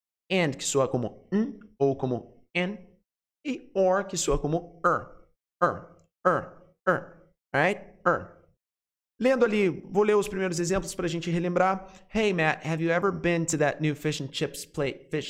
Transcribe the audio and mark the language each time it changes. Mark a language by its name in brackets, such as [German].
[Portuguese] And, que soa como n, ou como n, e or, que soa como er. [English] Right? [Portuguese] Lendo ali, vou ler os primeiros exemplos para a gente relembrar. [English] Hey, Matt, have you ever been to that new fish and chips place?